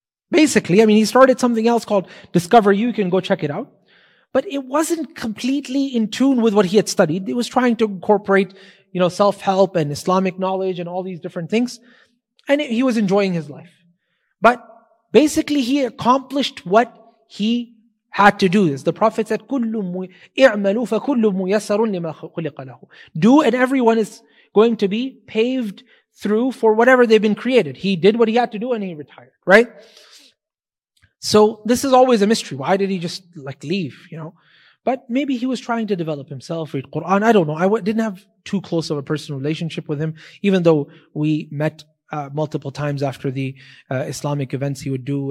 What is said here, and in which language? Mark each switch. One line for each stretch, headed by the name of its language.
English: Basically, I mean, he started something else called Discover You. You can go check it out. But it wasn't completely in tune with what he had studied. It was trying to incorporate, you know, self-help and Islamic knowledge and all these different things. And he was enjoying his life. But basically, he accomplished what he had to do. As the Prophet said,
Arabic: اِعْمَلُوا فَكُلُّ مُيَسَّرٌ لِمَا خُلِقَ لَهُ.
English: Do, and everyone is going to be paved through for whatever they've been created. He did what he had to do and he retired, right? So this is always a mystery. Why did he just like leave, you know? But maybe he was trying to develop himself, read Quran. I don't know. I didn't have too close of a personal relationship with him, even though we met multiple times after the Islamic events he would do.